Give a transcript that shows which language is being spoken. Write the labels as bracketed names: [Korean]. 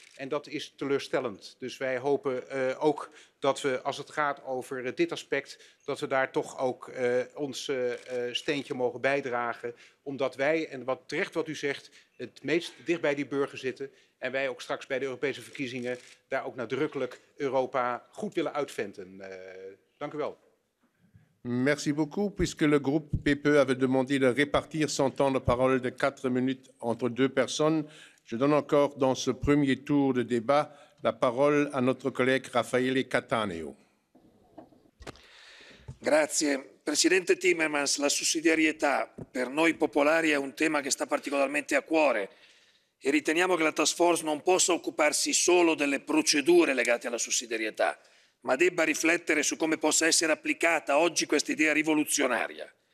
[Dutch] En dat is teleurstellend. Dus wij hopen ook dat we, als het gaat over dit aspect, dat we daar toch ook ons steentje mogen bijdragen. Omdat wij, en wat terecht wat u zegt, het meest dicht bij die burger zitten. En wij ook straks bij de Europese verkiezingen daar ook nadrukkelijk Europa goed willen uitventen. Dank u wel. [French] Merci beaucoup, puisque le groupe PPE avait demandé de répartir son temps de parole de 4 minutes entre deux personnes. Je donne encore dans ce premier tour de débat la parole à notre collègue Raffaele Cattaneo. [Italian] Grazie. Presidente Timmermans, la sussidiarietà per noi popolari è un tema che sta particolarmente a cuore e riteniamo che la task force non possa occuparsi solo delle procedure legate alla sussidiarietà, ma debba riflettere su come possa essere applicata oggi questa idea rivoluzionaria.